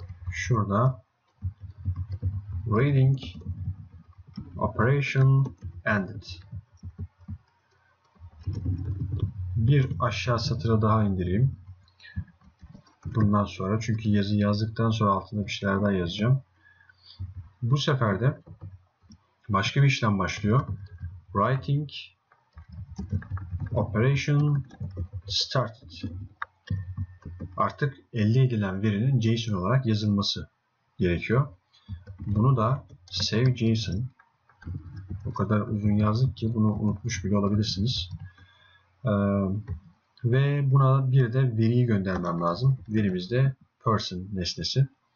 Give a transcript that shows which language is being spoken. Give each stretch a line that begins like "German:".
Turkish: Şurada
English: reading operation ended.
Turkish: Bir aşağı satıra daha indireyim. Bundan sonra çünkü yazı yazdıktan sonra altında bir şeyler daha yazacağım. Bu sefer de başka bir işlem başlıyor.
English: Writing operation started.
Turkish: Artık elde edilen verinin JSON olarak yazılması gerekiyor. Bunu da save JSON. O kadar uzun yazdık ki bunu unutmuş bile olabilirsiniz. Ve buna bir de veriyi göndermem lazım. Verimiz de person nesnesi.